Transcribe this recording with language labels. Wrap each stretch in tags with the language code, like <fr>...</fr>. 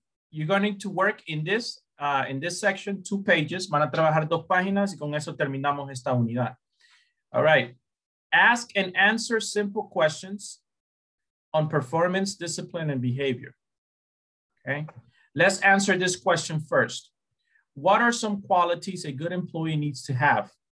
<en>You're going to need to work in this. In this section, two pages.</en> <es>Van a trabajar dos páginas y con eso terminamos esta unidad.</es> <en>All right. Ask and answer simple questions on performance, discipline, and behavior. Okay. Let's answer this question first. What are some qualities a good employee needs to have?</en>